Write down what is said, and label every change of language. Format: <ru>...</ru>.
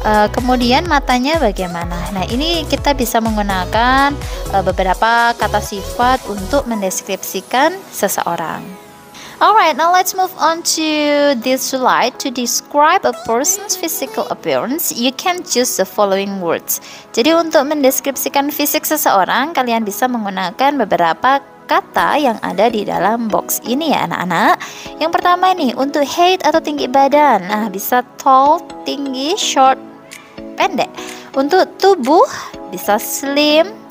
<id>Kemudian matanya bagaimana? Nah, ini kita bisa menggunakan beberapa kata sifat untuk mendeskripsikan seseorang.</id> <en>Alright, now let's move on to this slide. To describe a person's physical appearance, you can choose the following words.</en> <id>Jadi untuk mendeskripsikan fisik seseorang, kalian bisa menggunakan beberapa kata yang ada di dalam box ini ya anak-anak. Yang pertama nih, untuk height atau tinggi badan, nah bisa tall, tinggi, short, pendek. Untuk tubuh bisa slim,</id>